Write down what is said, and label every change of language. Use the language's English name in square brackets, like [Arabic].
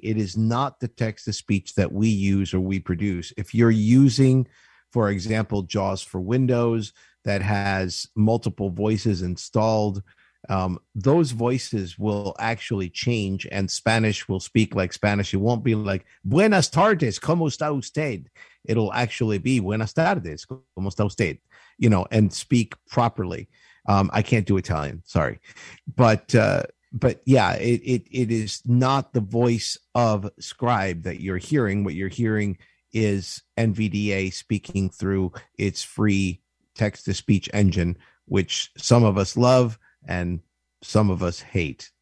[English] It is not the text-to-speech that we use or we produce. If you're using, for example, JAWS for Windows, that has multiple voices installed, those voices will actually change and Spanish will speak like Spanish. It won't be like, [Spanish] buenas tardes, ¿cómo está usted? [English] It'll actually be, buenas tardes, ¿cómo está usted? You know, and speak properly. I can't do Italian, sorry. But yeah, it is not the voice of Scribe that you're hearing. What you're hearing is NVDA speaking through its free text-to-speech engine, which some of us love and some of us hate.